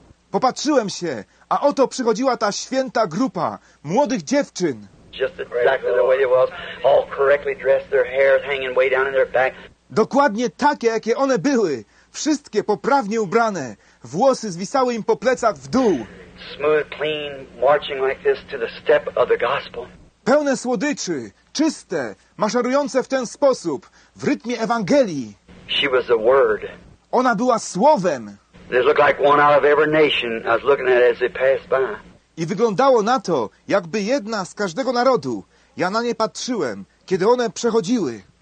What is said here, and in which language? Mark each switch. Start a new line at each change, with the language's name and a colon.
Polish: Popatrzyłem się, a oto przychodziła ta święta grupa młodych dziewczyn.
English: Just exactly the way it was, all correctly dressed, their hair hanging way down in their back.
Polish: Dokładnie takie, jakie one były. Wszystkie poprawnie ubrane. Włosy zwisały im po plecach w dół.
English: Smooth, clean, marching like this to the step of the gospel.
Polish: Pełne słodyczy, czyste, maszerujące w ten sposób, w rytmie Ewangelii.
English: She was the word.
Polish: Ona była słowem.
English: This looked like one out of every nation I was looking at as they passed by.
Polish: I wyglądało na to, jakby jedna z każdego narodu. Ja na nie patrzyłem, kiedy one przechodziły.